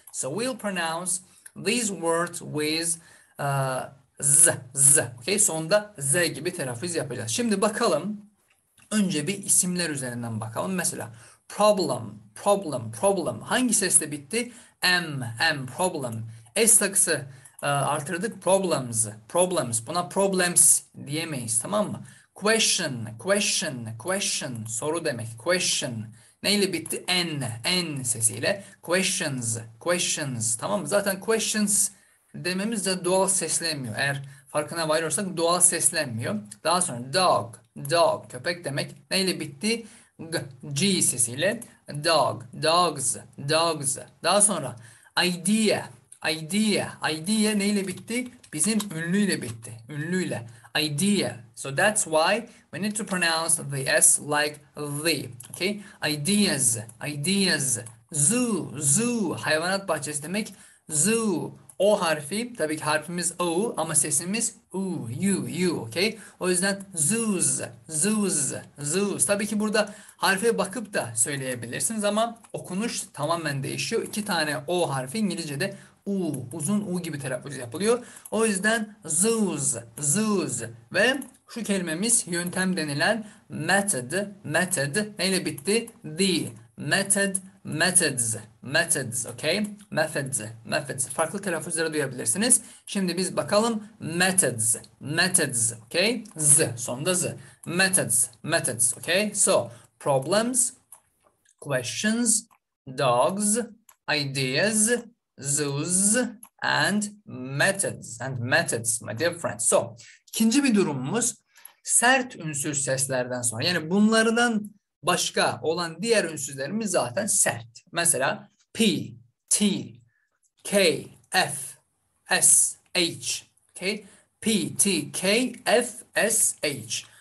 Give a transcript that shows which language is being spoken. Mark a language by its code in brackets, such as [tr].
[en] So we'll pronounce these words with Z, Z. Okay? [tr] Sonunda Z gibi telaffuz yapacağız. Şimdi bakalım. Önce bir isimler üzerinden bakalım. Mesela problem, problem, problem. Hangi sesle bitti? M, M, problem. S takısı artırdık. [en] Problems, problems. [tr] Buna problems diyemeyiz tamam mı? [en] Question, question, question. [tr] Soru demek. Question. Neyle bitti? N, N sesiyle. Questions, questions. Tamam mı? Zaten questions dememiz de doğal seslenmiyor. Eğer farkına varıyorsak doğal seslenmiyor. Daha sonra dog. Dog, köpek demek. Neyle bitti? [en] G, G sesiyle. Dog, dogs, dogs. [tr] Daha sonra idea, idea, idea neyle bitti? Bizim ünlüyle bitti, ünlüyle. [en] Idea. So that's why we need to pronounce the S like the. Okay? Ideas, ideas. Zoo, zoo, [tr] hayvanat bahçesi demek. [en] Zoo. [tr] O harfi, tabii ki harfimiz O ama sesimiz U, U, U, okay? O yüzden zoos, zoos, zoos. Tabii ki burada harfe bakıp da söyleyebilirsiniz ama okunuş tamamen değişiyor. İki tane O harfi İngilizce'de U, uzun U gibi telaffuz yapılıyor. O yüzden zoos, zoos. Ve şu kelimemiz yöntem denilen method, method. Neyle bitti? The, method, methods, [en] Methods, okay? Methods, methods. [tr] Farklı telaffuzları duyabilirsiniz. Şimdi biz bakalım. Methods, methods, okay? Z, sonunda z. [en] Methods, methods, okay? So, problems, questions, dogs, ideas, zoos, and methods, my dear friend. [tr] So, ikinci bir durumumuz. Sert ünsüz seslerden sonra. Yani bunlardan başka olan diğer ünsüzlerimiz zaten sert. Mesela P, T, K, F, S, H. Okay? P, T, K, F, S, H.